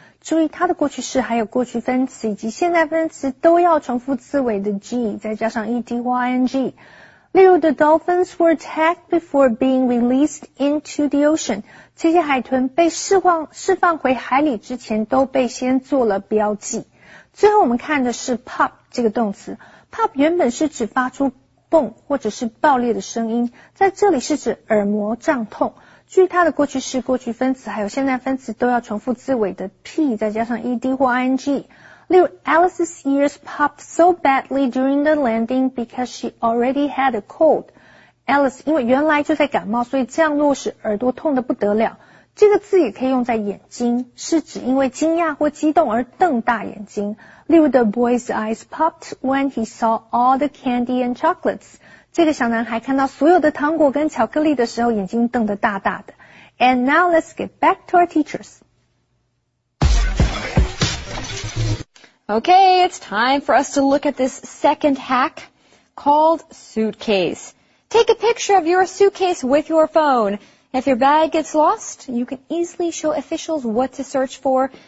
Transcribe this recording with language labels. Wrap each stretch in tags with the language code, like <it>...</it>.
<zh>注意它的过去式还有过去分词以及现在分词都要重复字尾的 G 再加上 E-D-Y-N-G 例如</zh> <en>The dolphins were tagged before being released into the ocean</en> <zh>这些海豚被释放回海里之前都被先做了标记最后我们看的是 pop 这个动词 pop 原本是指发出蹦或者是爆裂的声音在这里是指耳膜胀痛据它的过去式、过去分词还有现在分词都要重复字尾的 P 再加上 ED 或 ING。例如</zh> <en>Alice's ears popped so badly during the landing because she already had a cold.</en> <zh>Alice 因为原来就在感冒，所以降落时耳朵痛得不得了。这个字也可以用在眼睛，是指因为惊讶或激动而瞪大眼睛。例如</zh> <en>The boy's eyes popped when he saw all the candy and chocolates.</en> <zh>这个小男孩看到所有的糖果跟巧克力的时候，眼睛瞪得大大的。</zh> <en>And now let's get back to our teachers. Okay, it's time for us to look at this second hack called suitcase. Take a picture of your suitcase with your phone. If your bag gets lost, you can easily show officials what to search for.</en>